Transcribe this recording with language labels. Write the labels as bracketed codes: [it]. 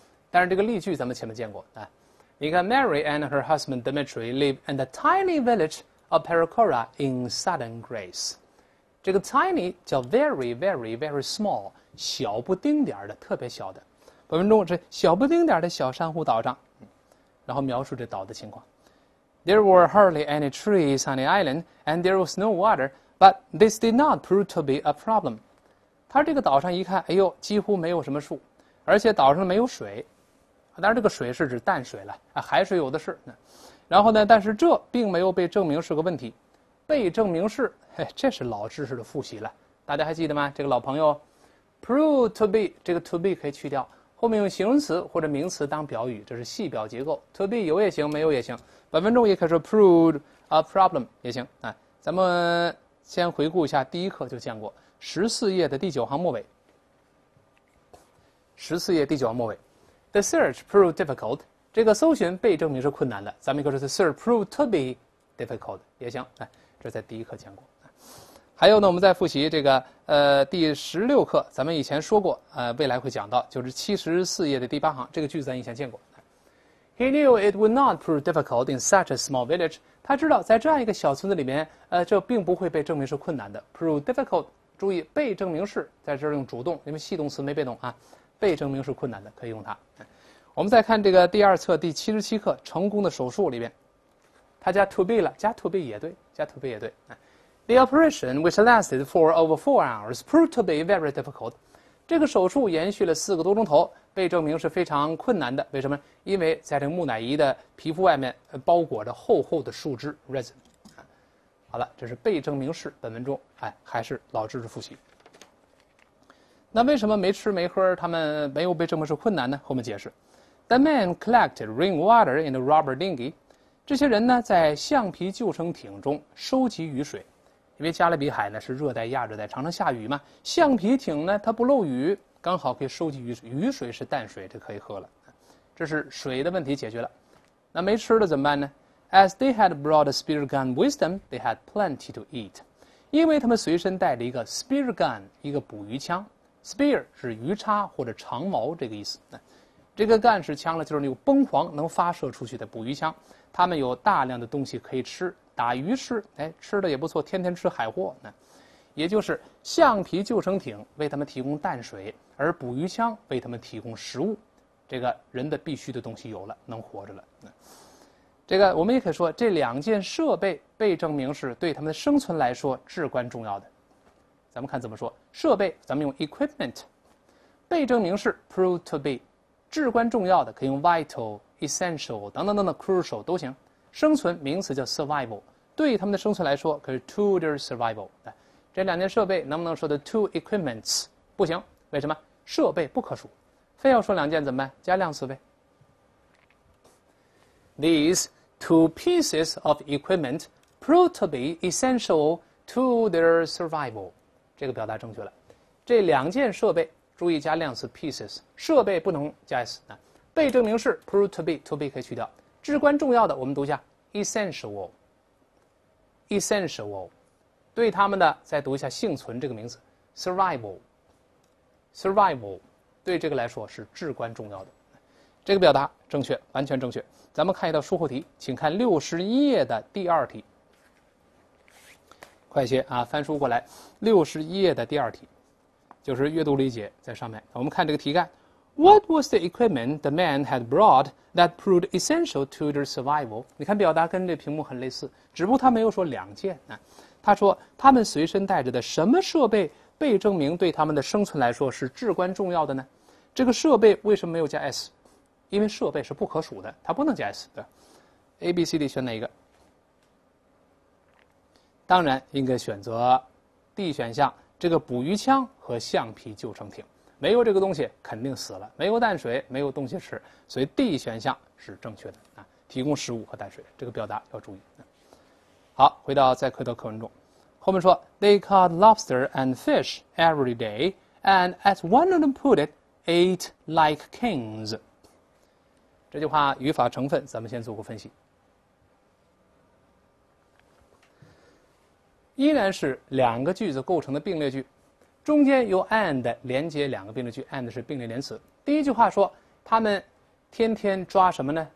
[zh] 但是这个例句咱们前面见过啊，你看 [en] Mary and her husband Dimitri live in the tiny village of Perikora in Southern Greece。 [zh] 这个 tiny 叫 [en] very very very small， [zh] 小不丁点儿的，特别小的。本文中这小不丁点儿的小珊瑚岛上，然后描述这岛的情况。 [en] There were hardly any trees on the island, and there was no water, but this did not prove to be a problem. [zh] 他这个岛上一看，哎呦，几乎没有什么树，而且岛上没有水。当然，这个水是指淡水了，海水有的是。然后呢，但是这并没有被证明是个问题。被证明是，嘿，这是老知识的复习了。大家还记得吗？这个老朋友 ，prove to be 这个 to be 可以去掉，后面用形容词或者名词当表语，这是系表结构。 to be 有也行，没有也行。本文中也可以说 prove a problem 也行啊。咱们先回顾一下第一课就见过14页的第9行末尾。 14页第9行末尾。 [en] The search proved difficult. [zh] 这个搜寻被证明是困难的。咱们一个说 [en] The search proved to be difficult. [zh] 也行。这在第一课讲过。还有呢，我们再复习这个第16课，咱们以前说过，未来会讲到，就是74页的第8行，这个句子咱以前见过。 [en] He knew it would not prove difficult in such a small village. [zh] 他知道在这样一个小村子里面，这并不会被证明是困难的。 [en] Prove difficult, [zh] 注意被证明是在这儿用主动，因为系动词没被动啊。被证明是困难的，可以用它。我们再看这个第2册第77课《成功的手术》里边，他加 to be 了，加 to be 也对，加 to be 也对。 [en] The operation, which lasted for over 4 hours, proved to be very difficult. [zh] 这个手术延续了4个多钟头，被证明是非常困难的。为什么？因为在这个木乃伊的皮肤外面包裹着厚厚的树枝 resin。好了，这是被证明式。本文中，哎，还是老知识复习。那为什么没吃没喝他们没有被证明是困难呢？后面解释。 [en] The men collected rainwater in the rubber dinghy. [zh] 这些人呢在橡皮救生艇中收集雨水，因为加勒比海呢是热带亚热带，常常下雨嘛，橡皮艇呢它不漏雨，刚好可以收集雨水，雨水是淡水，这可以喝了，这是水的问题解决了。那没吃的怎么办呢？ [en] As they had brought a spear gun with them, they had plenty to eat. [zh] 因为他们随身带着一个 spear gun, 一个捕鱼枪。 Spear 是鱼叉或者长矛这个意思，这个gun是枪了，就是那个崩簧能发射出去的捕鱼枪。他们有大量的东西可以吃，打鱼吃，哎，吃的也不错，天天吃海货呢。也就是橡皮救生艇为他们提供淡水，而捕鱼枪为他们提供食物。这个人的必须的东西有了，能活着了。这个我们也可以说，这两件设备被证明是对他们的生存来说至关重要的。咱们看怎么说，设备咱们用 equipment， 被证明是 prove to be， 至关重要的可以用 vital、 essential 等等等等 crucial 都行。生存名词叫 survival， 对他们的生存来说可是 to their survival。这两件设备能不能说的 two equipments？ 不行。为什么？设备不可数，非要说两件怎么办？加量词呗。 [en] These two pieces of equipment prove to be essential to their survival。 [zh] 这个表达正确了，这两件设备，注意加量词 pieces， 设备不能加 s 啊。被证明是 prove to be， to be 可以去掉。至关重要的，我们读一下 essential。 essential， 对他们的再读一下幸存这个名词 ，survival，survival， 对这个来说是至关重要的。这个表达正确，完全正确。咱们看一道疏忽题，请看61页的第二题。快些啊，翻书过来，61页的第二题，就是阅读理解在上面。 [en] 我们看这个题干 ，What was the equipment the man had brought that proved essential to their survival？ [zh] 你看表达跟这屏幕很类似，只不过他没有说两件啊。他说他们随身带着的什么设备被证明对他们的生存来说是至关重要的呢？这个设备为什么没有加 s？ 因为设备是不可数的，它不能加 s 的。 A、B、C、D 选哪一个？当然应该选择 D 选项，这个捕鱼枪和橡皮救生艇，没有这个东西肯定死了，没有淡水，没有东西吃，所以 D 选项是正确的啊，提供食物和淡水，这个表达要注意。好，回到在课的课文中，后面说 [en] They caught lobster and fish every day and as one of them put it ate like kings。 [zh] 这句话语法成分咱们先做个分析，依然是两个句子构成的并列句，中间由 and 连接两个并列句， and 是并列连词。第一句话说他们天天抓什么呢？